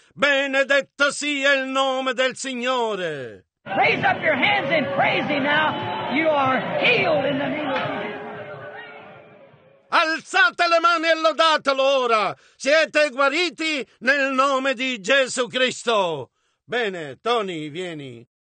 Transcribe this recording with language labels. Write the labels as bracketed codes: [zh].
[it] Benedetto sia il nome del Signore. [en] Raise up your hands and praise him now. You are healed in the name of Jesus. [it] Alzate le mani e lodatelo ora. Siete guariti nel nome di Gesù Cristo. Bene, Tony, vieni.